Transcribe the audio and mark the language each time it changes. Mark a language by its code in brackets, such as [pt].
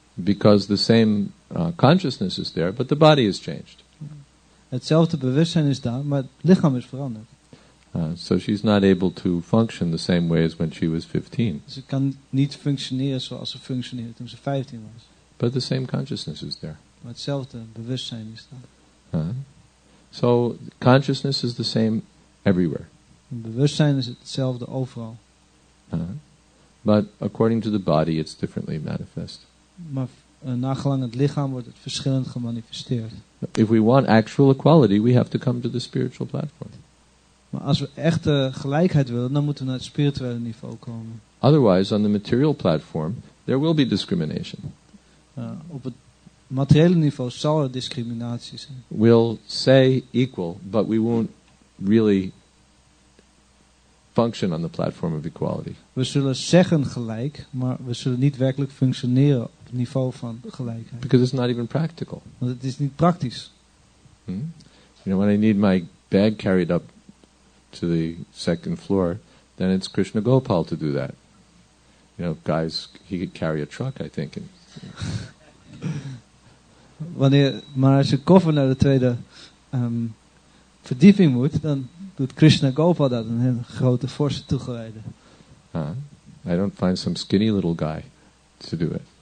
[en] Because the same consciousness is there, but the body is changed. [nl] Hetzelfde bewustzijn is daar, maar het lichaam is veranderd. [en] So she's not able to function the same way as when she was 15. [nl] Ze kan niet functioneren zoals ze functioneerde toen ze 15 was. [en] But the same consciousness is there. [nl] Maar hetzelfde bewustzijn is daar. [en] So consciousness is the same everywhere. [nl] Bewustzijn is hetzelfde overal. [en] But according to the body, it's differently manifest. [nl] Maar nagelang het lichaam wordt het verschillend gemanifesteerd. [en] If we want actual equality, we have to come to the spiritual platform. [nl] Maar als we echte gelijkheid willen, dan moeten we naar het spirituele niveau komen. [en] Otherwise, on the material platform, there will be discrimination. [nl] Op het materiële niveau zal er discriminatie zijn. [en] We'll say equal, but we won't really function on the platform of equality. [nl] We zullen zeggen gelijk, maar we zullen niet werkelijk functioneren op het niveau van gelijkheid. [en] Because it's not even practical. [nl] Want het is niet praktisch. [en] You know, when I need my bag carried up to the second floor, then it's Krishna Gopal to do that. You know, guys, he could carry a truck, I think. And, [nl] Wanneer maar als je koffer naar de tweede verdieping moet, dan doet Krishna Gopal dat, een hele grote forse toegewijde. [en] I don't find some skinny little guy to do it.